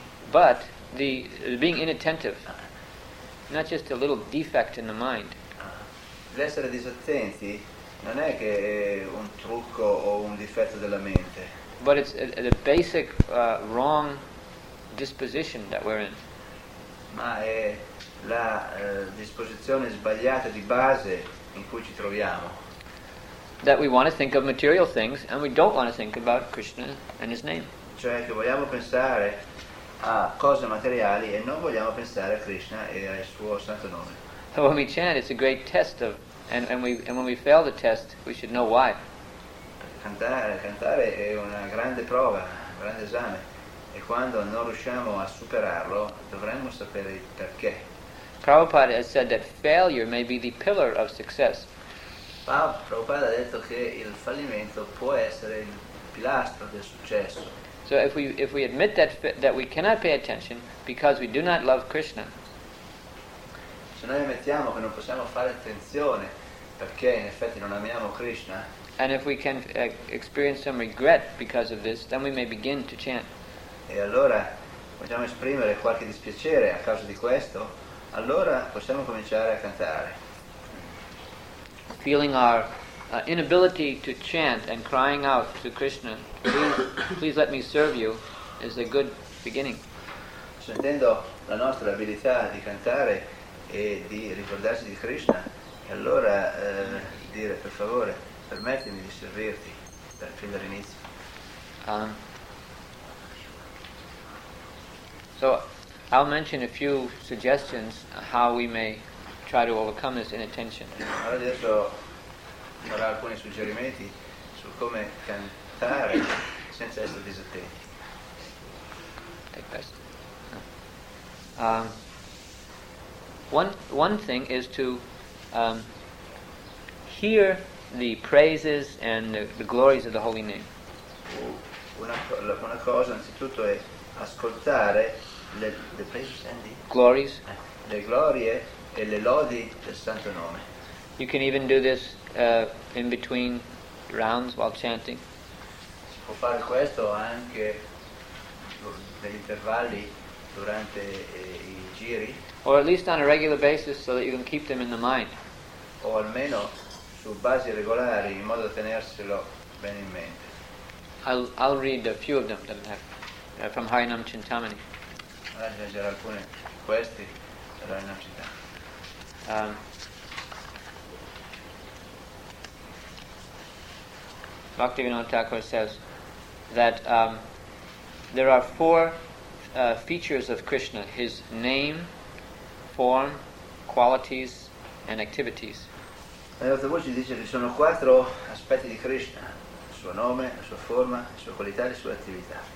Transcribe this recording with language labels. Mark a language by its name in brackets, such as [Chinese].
[English] But the being inattentive, not just a little defect in the mind. [Italian] L'essere disattenti non è che è un trucco o un difetto della mente. [English] But it's a basic wrong disposition that we're in. [Italian] Ma è la disposizione sbagliata di base in cui ci troviamo. [English] That we want to think of material things and we don't want to think about Krishna and his name. [Italian] Cioè che vogliamo pensare a cose materiali e non vogliamo pensare a Krishna e al suo santo nome. [English] So when we chant, it's a great test of, and when we fail the test, we should know why. [Italian] Cantare è una grande prova, un grande esame, e quando non riusciamo a superarlo, dovremmo sapere il perché. [English] Prabhupada has said that failure may be the pillar of success. [Italian] Prabhupada ha detto che il fallimento può essere il pilastro del successo. [English] So if we admit that we cannot pay attention because we do not love Krishna. [Italian] Se noi ammettiamo che non possiamo fare attenzione perché in effetti non amiamo Krishna. [English] And if we can experience some regret because of this, then we may begin to chant. [Italian] E allora possiamo esprimere qualche dispiacere a causa di questo, allora possiamo cominciare a cantare. [English] Feeling our inability to chant and crying out to Krishna, please let me serve you, is a good beginning. [Italian] Sentendo la nostra abilità di cantare e di ricordarsi di Krishna, allora dire per favore, permettimi di servirti fin dall'inizio. [English] So I'll mention a few suggestions how we may try to overcome this inattention. [Italian] Adesso farò alcuni suggerimenti su come cantare senza essere disattenti. [English] One thing is to hear the praises and the glories of the holy name. [Italian] Una cosa anzitutto è ascoltare le [English] praises and the glories, [Italian] le glorie e le lodi del santo nome. [English] You can even do this in between rounds while chanting. [Italian] Si può fare questo anche negli intervalli durante i giri. [English] Or at least on a regular basis so that you can keep them in the mind. [Italian] O almeno su basi regolari in modo da tenerselo ben in mente. [English] I'll read a few of them that I have from High Nam Chintamani. [Italian] Leggere alcune questi da High Nam Chintamani. [English] Bhaktivinoda Thakur says that there are four features of Krishna: his name, form, qualities, and activities. [Italian] Nella sua voce dice che sono quattro aspetti di Krishna: il suo nome, la sua forma, la sua qualità, le sue attività.